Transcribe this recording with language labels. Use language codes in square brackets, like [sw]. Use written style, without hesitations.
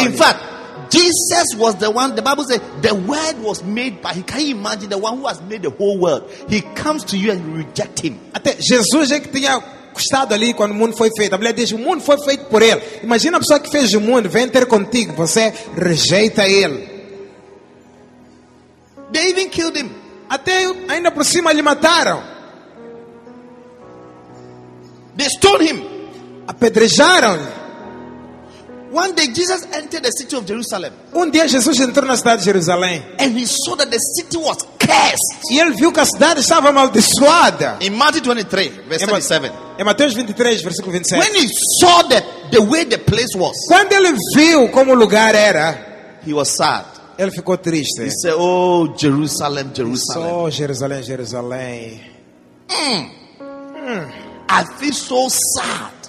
[en] In fact, Jesus was the one, the Bible says, the word was made by, can you imagine the one who has made the whole world? He comes to you and you reject him. [pt] Até Jesus é que tinha estado ali quando o mundo foi feito. A mulher diz, o mundo foi feito por ele. Imagina a pessoa que fez o mundo, vem ter contigo, você rejeita ele. [en] They even killed him. [pt] Até ainda por cima lhe mataram. [en] They stoned him. [pt] Apedrejaram-lhe. [en] One day Jesus entered the city of Jerusalem. [pt] Um dia Jesus entrou na cidade de Jerusalém. [en] And he saw that the city was cursed. [pt] E ele viu que a cidade estava amaldiçoada. [en] In Matthew 23, verse 27. [pt] Em Mateus 23, versículo 27. [en] When he saw that the way the place was. [pt] Quando ele viu como o lugar era, [en] he was sad. [pt] Ele ficou triste. [en] He said, "Oh, Jerusalem, Jerusalem." [pt] Oh, Jerusalém, Jerusalém. [en] I feel so sad.